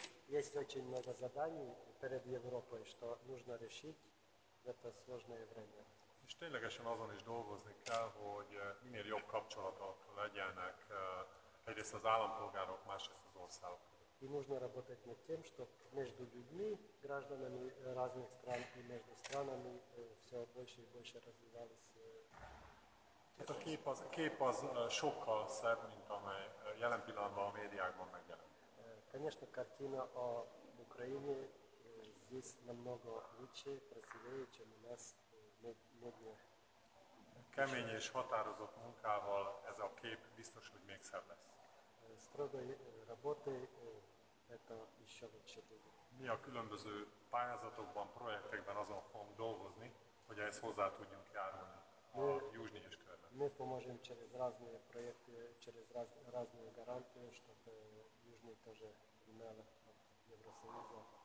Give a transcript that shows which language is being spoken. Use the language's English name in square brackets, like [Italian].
[Russian] Есть очень много заданий перед Европой, что нужно решить. Это сложное время. [Hungarian] И tényleges azon is dolgozni kell, hogy minél jobb kapcsolatok legyenek egyrészt az állampolgárok, másrészt az országok. [Russian] И нужно работать над тем, чтобы между людьми, гражданами разных стран и между странами все больше и больше развивалось. [Hungarian] Это кейпаз sokkal szebb, mint amely jelen pillanatban a médiákban megjelenik. [Russian] Конечно, картина о Украине здесь намного лучше, красивее, чем у нас медиа. [Hungarian] Kemény és határozott munkával ez a kép biztos, hogy még szebb lesz. [Russian] Строгой работой это еще лучше будет. [Hungarian] Mi a különböző pályázatokban, projektekben azon fogunk dolgozni, hogy ehhez hozzá tudjunk járulni a Juzsnyés körben. [Russian] Мы поможем через разные проекты, через разные гарантии, чтобы Южный тоже имел от Евросоюза.